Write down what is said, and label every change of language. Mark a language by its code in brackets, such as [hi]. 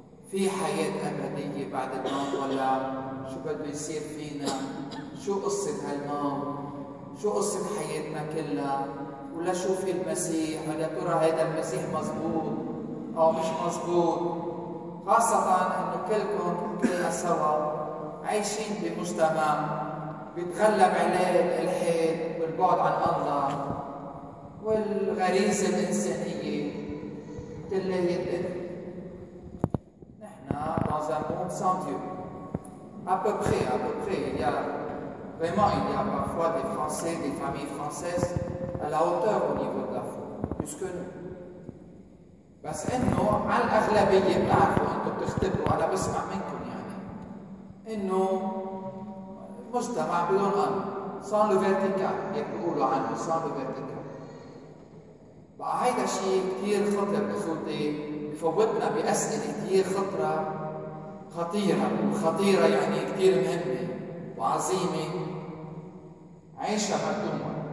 [ar] في حياة أبدية بعد الموت ولا شو بده يصير فينا؟ شو قصة هالموت؟ شو قصة حياتنا كلها؟ ولا شو في المسيح؟ هل يا ترى هيدا المسيح مزبوط أو مش مزبوط؟ خاصة إنه كلكم كلنا سوا عايشين بمجتمع بيتغلب عليه الإلحاد والبعد عن الله والغريزة الإنسانية تلاقي الإنسان. نحن [fr] dans un monde sans Dieu. À peu près, il y a vraiment, il y a parfois des Français, des familles françaises à la hauteur au niveau de la foi, plus que nous. [ar] بس إنه على الأغلبية بتعرفوا أنتم بتختبروا على بسمع منكم إنه مجتمع بدون أن صان لفاتيكان، هيك بيقولوا عنه صان لفاتيكان. بقى هيدا شيء كثير خطر إخوتي، بفوتنا بأسئلة كثير خطرة خطيرة، وخطيرة يعني كثير مهمة وعظيمة عايشها مرتومة.